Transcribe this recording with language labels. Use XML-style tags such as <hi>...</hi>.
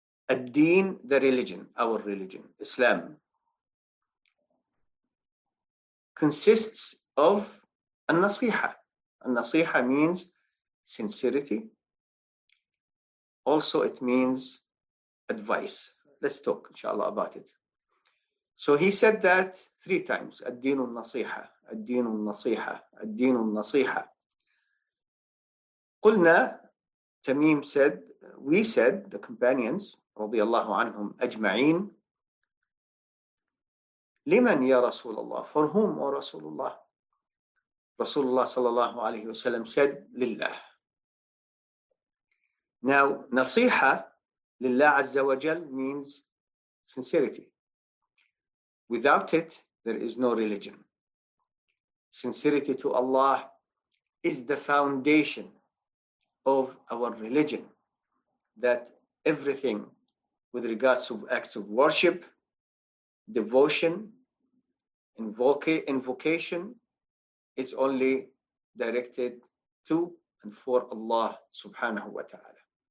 <en>الدين, the religion, our religion, Islam, consists of النصيحة. النصيحة means sincerity. Also, it means advice. Let's talk, inshallah, about it. So he said that three times.</en> <ar>الدين النصيحة, الدين النصيحة, الدين النصيحة. قلنا, Tamim said, we said, the companions, رضي الله عنهم أجمعين, لمن يا رسول الله, for whom, or رسول الله, رسول الله صلى الله عليه وسلم said, لله.</ar> <en>Now, نصيحة لله عز وجل means sincerity. Without it, there is no religion. Sincerity to Allah is the foundation of our religion, that everything with regards to acts of worship, devotion, invocation, is only directed to and for Allah subhanahu wa ta'ala.</en>